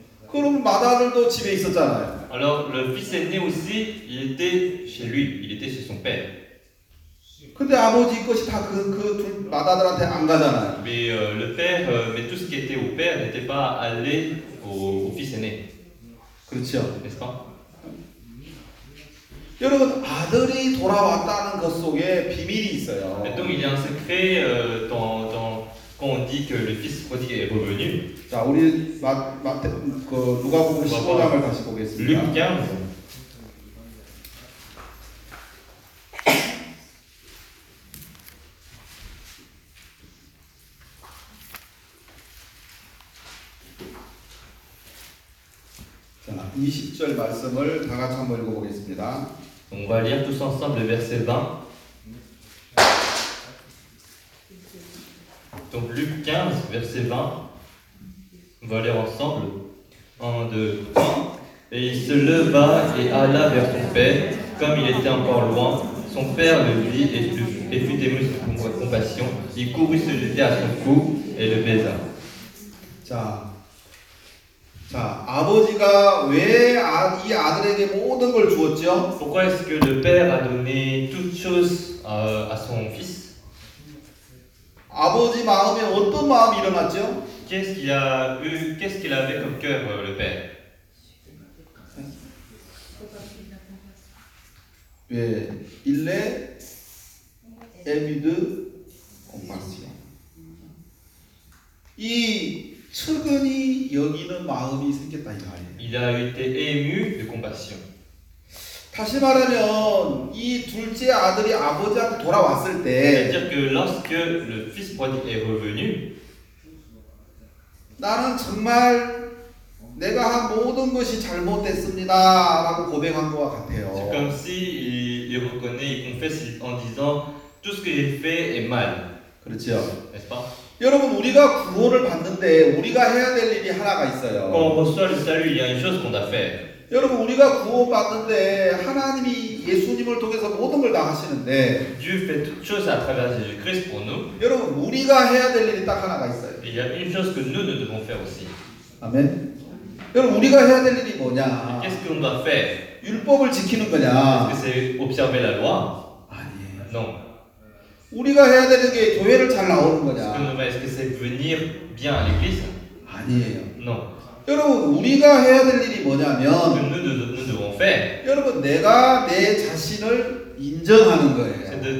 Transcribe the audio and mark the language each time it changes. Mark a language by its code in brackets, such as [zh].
[ko] 그럼 마다들도 집에 있었잖아요. [fr] Alors le fils aîné aussi, il était chez lui, il était chez son père. [ko] 근데 아버지 것이 다 그 마다들한테 안 가잖아요. [fr] Mais le père, mais tout ce qui était au père n'était pas allé au fils aîné. [ko] 그렇죠. [fr] N'est-ce pas? [ko] 여러분, 아들이 돌아왔다는 것 속에 비밀이 있어요. [fr] Et donc il y a un secret quand on dit que le fils prodigue est revenu. [ko] 자, 우리 그 누가복음 15장을 다시 보겠습니다. 자, 20절 말씀을 다 같이 한번 읽어 보겠습니다. [fr] On va lire tous ensemble le verset 20. Donc Luc 15, verset 20, on va lire ensemble. 1, 2, 3. Et il se leva et alla vers son père, comme il était encore loin. Son père le vit et fut ému de compassion. Il courut se jeter à son cou et le baisa. [ko] 자, 아버지가 왜 이 아들에게 모든 걸 주었죠? [fr] Pourquoi est-ce que le père a donné toutes choses à son fils? [ko] 아버지 마음에 어떤 마음이 일어났죠? [fr] Qu'est-ce qu'il a eu? Qu'est-ce qu'il avait comme cœur, le père? 예, il est ému de compassion. [ko] 이 측은히 여기는 마음이 생겼다 이 말이에요. [fr] Il a été ému de compassion. [ko] 다시 말하면 이 둘째 아들이 아버지한테 돌아왔을 때 [fr] C'est-à-dire que lorsque le fils prodigue est revenu [ko] 나는 정말 내가 한 모든 것이 잘못됐습니다 라고 고백한 것 같아요. [fr] C'est comme si il reconnaît, il confesse en disant tout ce que j'ai fait est mal. [ko] 그렇죠. [fr] N'est-ce pas? [ko] 여러분, 우리가 구원을 받는데 우리가 해야 될 일이 하나가 있어요. [fr] Quand on reçoit le salut, il y a une chose qu'on doit faire. [ko] 여러분, 우리가 구원받는데 하나님이 예수님을 통해서 모든 걸 다 하시는데 [fr] Dieu fait toutes choses à travers Jésus-Christ pour nous. [ko] 여러분, 우리가 해야 될 일이 딱 하나가 있어요. [fr] Il y a une chose que nous devons faire aussi. [ko] 아멘. 여러분, 우리가 해야 될 일이 뭐냐? [fr] Qu'est-ce qu'on doit faire? [ko] 율법을 지키는 거냐? [fr] Est-ce que c'est observer la loi? [ko] 아니에요. [fr] Non. [ko] 우리가 해야 되는 게 교회를 잘 나오는 거냐? [fr] Est-ce qu'on doit, est-ce que c'est venir bien à l'église? [ko] 아니에요. [fr] Non. [ko] 여러분, 우리가 해야 될 일이 뭐냐면 여러분, 내가 내 자신을 인정하는 거예요.